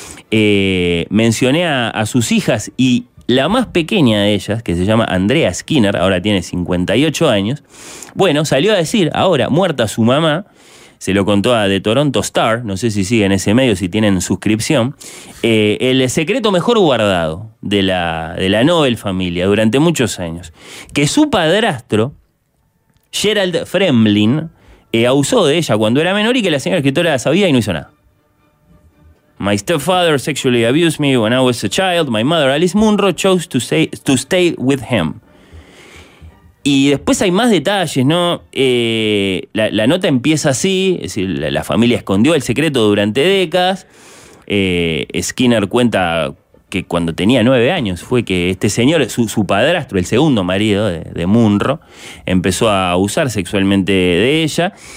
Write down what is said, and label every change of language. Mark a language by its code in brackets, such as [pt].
[es] Mencioné a sus hijas y la más pequeña de ellas, que se llama Andrea Skinner, ahora tiene 58 años, bueno, salió a decir, ahora muerta su mamá, se lo contó a The Toronto Star, no sé si siguen ese medio, si tienen suscripción, el secreto mejor guardado de la Nobel familia durante muchos años, que su padrastro, Gerald Fremlin, abusó de ella cuando era menor y que la señora escritora sabía y no hizo nada. [en] My stepfather sexually abused me when I was a child. My mother, Alice Munro, chose to stay with him. [es] Y después hay más detalles, ¿no? La nota empieza así, es decir, la familia escondió el secreto durante décadas. Skinner cuenta que cuando tenía 9 años fue que este señor, su padrastro, el segundo marido de Munro, empezó a abusar sexualmente de ella.